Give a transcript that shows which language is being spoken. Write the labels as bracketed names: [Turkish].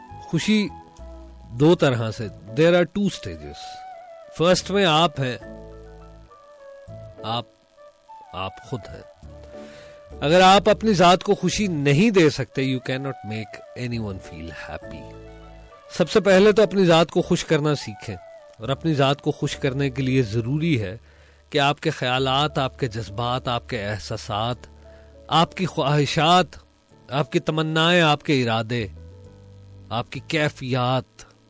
[Urdu] خوشی دو طرح سے, [English] There are two stages. [Urdu] First میں آپ ہیں, آپ خود ہیں. اگر آپ اپنی ذات کو خوشی نہیں دے سکتے, [English] You can not make anyone feel happy. [Urdu] سب سے پہلے تو اپنی ذات کو خوش کرنا سیکھیں, اور اپنی ذات کو خوش کرنے کے لیے ضروری ہے کہ آپ کے خیالات, آپ کے جذبات, آپ کے احساسات, آپ کی خواہشات, آپ کی تمنائیں, آپ کے ارادے, آپ کی کیفیات,